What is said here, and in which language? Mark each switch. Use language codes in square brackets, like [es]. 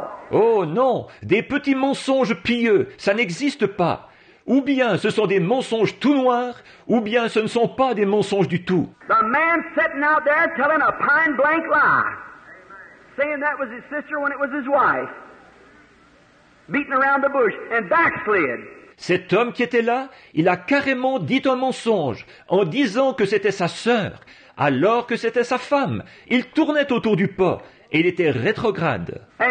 [fr] Oh non, des petits mensonges pieux, ça n'existe pas. Ou bien ce sont des mensonges tout noirs, ou bien ce ne sont pas des mensonges du tout. [en] The man sitting out there telling a pine blank lie, saying that was his sister when it was his wife, beating around the bush and backslid. [fr] Cet homme qui était là, il a carrément dit un mensonge en disant que c'était sa sœur, alors que c'était sa femme. Il tournait autour du pot et il était rétrograde.